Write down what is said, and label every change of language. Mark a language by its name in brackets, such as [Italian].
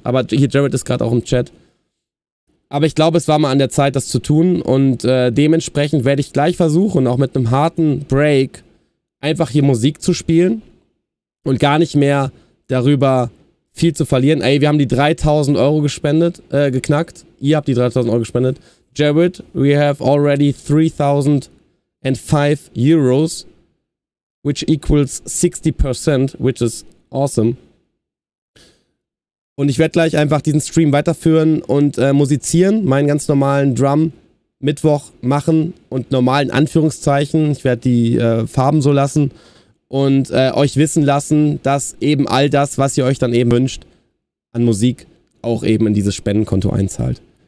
[German] Aber hier, Jared ist gerade auch im Chat. Aber ich glaube, es war mal an der Zeit, das zu tun. Und dementsprechend werde ich gleich versuchen, auch mit einem harten Break, einfach hier Musik zu spielen und gar nicht mehr darüber viel zu verlieren. Ey, wir haben die 3.000 Euro gespendet, geknackt. Ihr habt die 3.000 Euro gespendet. [English] Jared, we have already 3.005 Euros, which equals 60%, which is awesome. [German] Und ich werde gleich einfach diesen Stream weiterführen und musizieren, meinen ganz normalen Drum Mittwoch machen und normalen Anführungszeichen. Ich werde die Farben so lassen. Und euch wissen lassen, dass eben all das, was ihr euch dann eben wünscht, an Musik auch eben in dieses Spendenkonto einzahlt.